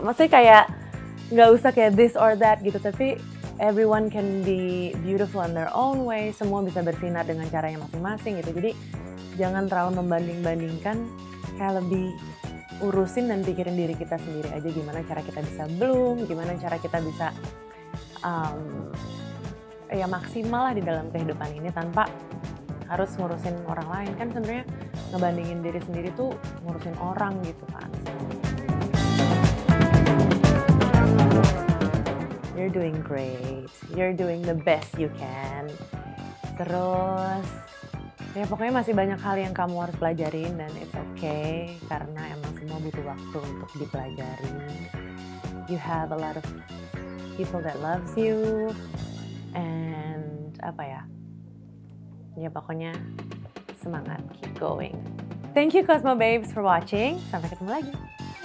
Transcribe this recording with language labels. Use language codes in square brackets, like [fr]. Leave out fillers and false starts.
[id] Maksudnya kayak nggak usah kayak [en] this or that [id] gitu, tapi [en] everyone can be beautiful in their own way. [id] Semua bisa bersinar dengan caranya masing-masing gitu. Jadi jangan terlalu membanding-bandingkan. Kayak lebih urusin dan pikirin diri kita sendiri aja. Gimana cara kita bisa bloom? Gimana cara kita bisa ya maksimal lah di dalam kehidupan ini tanpa harus ngurusin orang lain. Kan sebenarnya ngebandingin diri sendiri tuh ngurusin orang gitu kan. [en] You're doing great, you're doing the best you can. [id] Terus, ya pokoknya masih banyak hal yang kamu harus pelajarin dan [en] it's okay, [id] karena emang semua butuh waktu untuk dipelajari. [en] You have a lot of people that loves you, and [id] apa ya, ya pokoknya semangat, [en] keep going. Thank you Cosmo Babes for watching, [id] sampai ketemu lagi.